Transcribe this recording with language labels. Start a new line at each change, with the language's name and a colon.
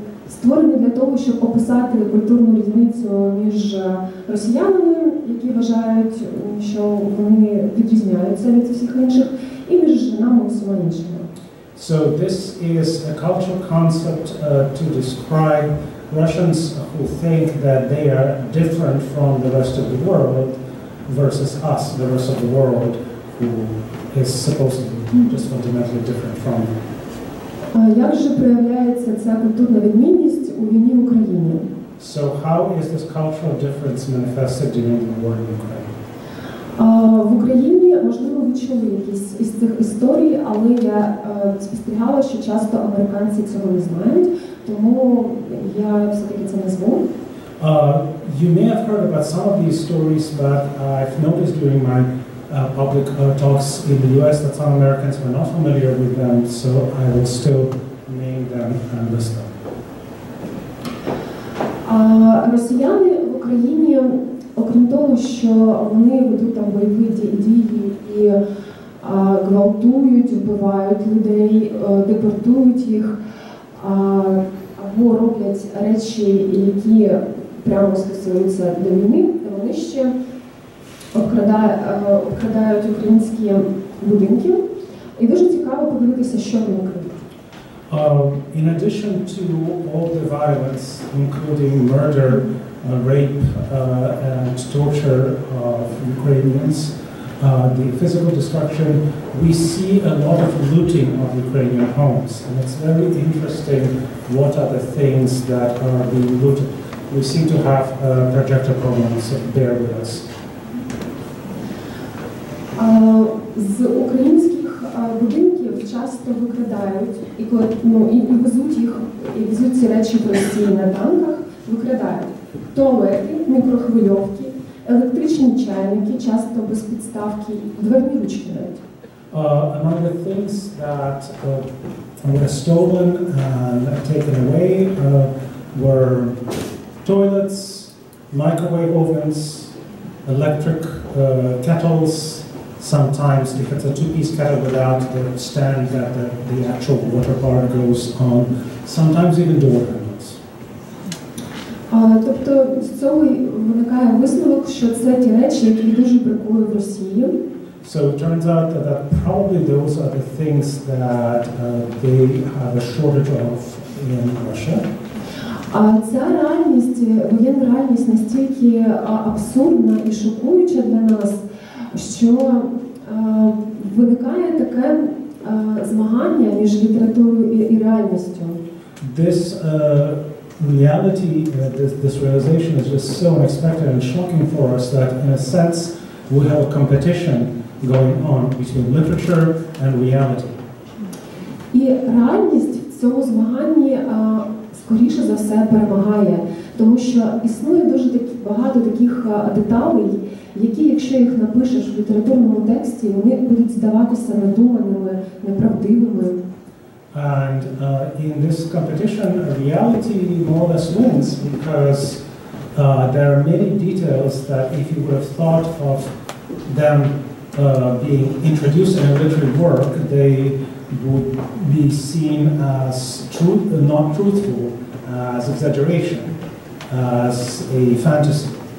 Ukrainian: Створений для того, щоб описати культурну різницю між росіянами, які вважають, що вони відрізняються від всіх інших, і між нами мусульманськими.
English: So this is a cultural concept to describe Russians who think that they are different from the rest of the world versus us, the rest of the world, who is supposedly just fundamentally different from them.
Ukrainian: Як же проявляється ця культурна відмінність у війні в Україні?
English: So how is this cultural difference manifested during the war in Ukraine?
Ukrainian: В Україні, можливо, відчули якісь із цих історій, але я спостерігала, що часто американці цього не знають, тому я все-таки це назву.
English: You may have heard about some of these stories, but I've noticed during my public talks in the U.S. that some Americans were not familiar with them, so I will still name them and list them.
Ukrainian: Росіяни в Україні, окрім того, що вони ведуть там бойові дії і гвалтують, вбивають людей, депортують їх, або роблять речі, які прямо стосуються до війни, вони ще обкрадають українські будинки. І дуже цікаво подивитися, що вони крадуть.
English: In addition to all the violence, including murder, rape and torture of Ukrainians, the physical destruction, we see a lot of looting of Ukrainian homes. And it's very interesting what are the things that are being looted. We seem to have projector problems, so bear with us.
Ukrainian: З українських будинків часто викрадають, і везуть їх, і везуть ці речі в Росії на танках, викрадають туалети, мікрохвильовки, електричні чайники, часто без підставки, дверні ручки навіть.
English: Among the things that were stolen and taken away were toilets, microwave ovens, electric kettles, sometimes if it's a two-piece kettle without the stand that the actual water part goes on, sometimes even door handles.
Ukrainian: Тобто з цього виникає висновок, що це ті речі, які дуже бракує в Росії.
English: So it turns out that probably those are the things that they have a shortage of in Russia.
Ukrainian: А ця реальність, воєнна реальність, настільки абсурдна і шокуюча для нас, що виникає таке змагання між літературою і реальністю.
English: This reality, this realization is just so unexpected and shocking for us that in a sense we have a competition going on between literature and reality.
Ukrainian: І реальність в цьому змаганні скоріше за все перемагає, тому що існує дуже багато таких деталей, які, якщо їх напишеш в літературному тексті, вони будуть здаватися надуманими, неправдивими.
English: And in this competition, reality more or less wins, because there are many details that if you would have thought of them being introduced in a literary work, they would be seen as not truthful, as exaggeration, as a fantasy.